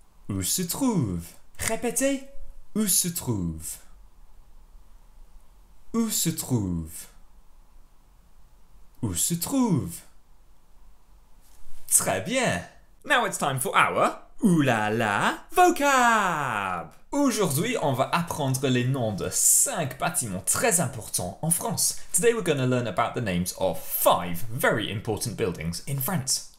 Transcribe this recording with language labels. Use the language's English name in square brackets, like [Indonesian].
[French] Où se trouve? Répétez, où se trouve? Où se trouve? Où se trouve? Très bien! [English] Now it's time for our oulala vocab! [French] Aujourd'hui, on va apprendre les noms de 5 bâtiments très importants en France. [English] Today we're going to learn about the names of 5 very important buildings in France.